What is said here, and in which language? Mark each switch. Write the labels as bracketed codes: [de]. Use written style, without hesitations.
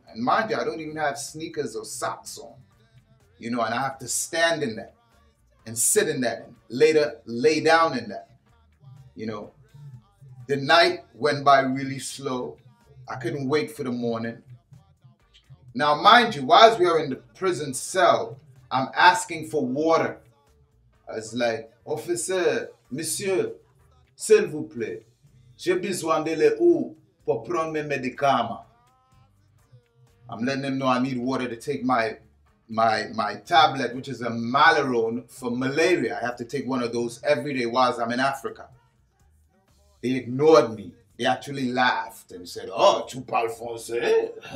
[en] And mind you, I don't even have sneakers or socks on. You know, and I have to stand in that and sit in that and later lay down in that. You know, the night went by really slow. I couldn't wait for the morning. Now, mind you, whilst we are in the prison cell, I'm asking for water. I was like, officer, [fr] monsieur, s'il vous plaît, j'ai besoin de l'eau pour prendre mes médicaments. [en] I'm letting them know I need water to take my tablet, which is a Malarone for malaria. I have to take one of those every day whilst I'm in Africa. They ignored me. They actually laughed and said, [fr] oh, tu parles français?